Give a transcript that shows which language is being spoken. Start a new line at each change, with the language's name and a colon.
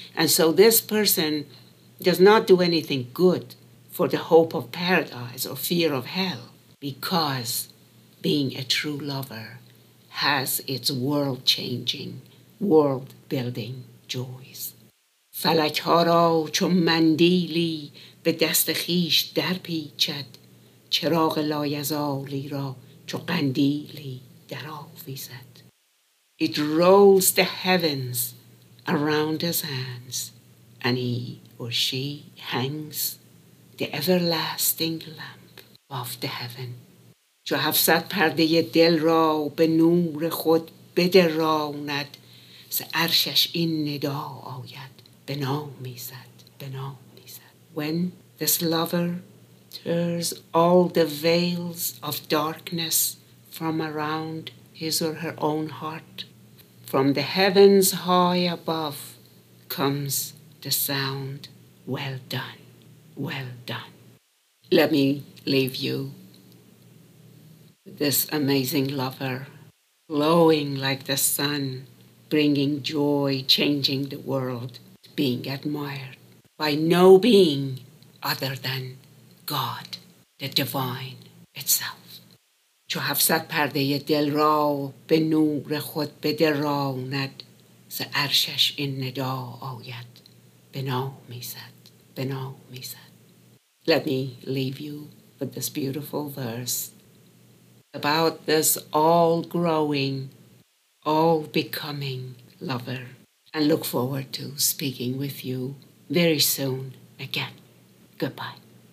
English: And so this person does not do anything good for the hope of paradise or fear of hell, because being a true lover has its world-changing, world-building joys.
Persian: فلک ها را چون مندیلی به دست خیش در پیچد. چراغ لایزالی را چون قندیلی در آویزد.
English: It rolls the heavens around his hands, and he or she hangs the everlasting lamp above the heaven.
Persian: چو هفصد پرده دل را به نور خود بدراند ز عرشش این ندا آید به نام ایزد به نام ایزد.
English: When this lover tears all the veils of darkness from around his or her own heart, from the heavens high above comes the sound, well done, well done. Let me leave you with this amazing lover, glowing like the sun, bringing joy, changing the world, being admired by no being other than God, the divine itself.
Persian: چو هفصد پرده دل را به نور خود بدراند ز عرشش این ندا آید به نام ایزد به نام ایزد.
English: Let me leave you with this beautiful verse about this all-growing, all-becoming lover, and look forward to speaking with you very soon again. Goodbye.